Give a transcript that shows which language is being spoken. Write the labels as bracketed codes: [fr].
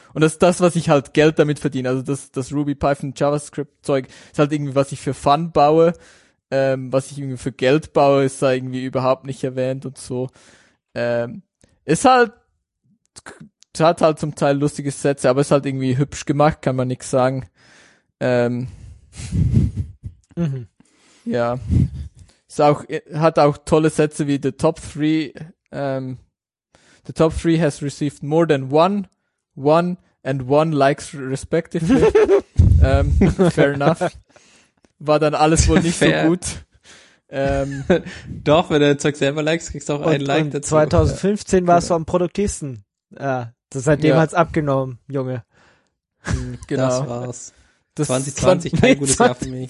[de] Und das ist das, was ich halt Geld damit verdiene. Also das Ruby, Python, JavaScript-Zeug ist halt irgendwie, was ich für Fun baue. Was ich irgendwie für Geld baue, ist da irgendwie überhaupt nicht erwähnt und so. Hat halt zum Teil lustige Sätze, aber ist halt irgendwie hübsch gemacht, kann man nichts sagen. Ja. Hat auch tolle Sätze wie [en] the top three, the top three has received more than one and one likes respectively. fair enough. [de] War dann alles wohl nicht fair. So gut. Doch, wenn du das Zeug selber likes, kriegst du auch einen Like dazu. 2015 ja. Warst du am produktivsten. Ja. Das ist seitdem hat's abgenommen, Junge. Genau. Das war's. Das 2020, kein gutes Jahr für mich.